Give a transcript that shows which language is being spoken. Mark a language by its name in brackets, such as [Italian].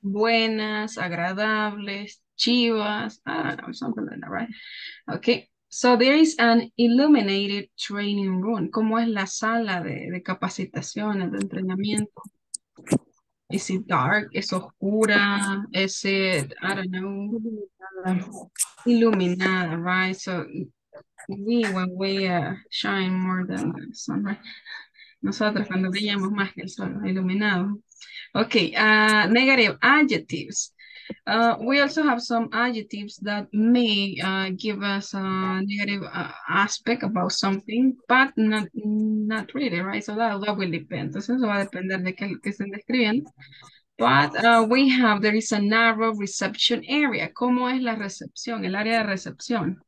[Spanish] Buenas, agradables, chivas, [English] I don't know, something like that, right? Okay, so there is an illuminated training room. [Spanish] ¿Cómo es la sala de capacitación, de entrenamiento? [English] Is it dark? [Spanish] ¿Es oscura? [English] Is it, I don't know, iluminada, right? So we, when we shine more than the sun, right? [Spanish] Nosotros cuando brillamos más que el sol, iluminado. [English] Okay, negative adjectives. We also have some adjectives that may give us a negative aspect about something, but not really, right? So that will depend. [Spanish] Entonces eso va a depender de qué estén describiendo. [English] But we have, there is a narrow reception area. [Spanish] ¿Cómo es la recepción, el área de recepción?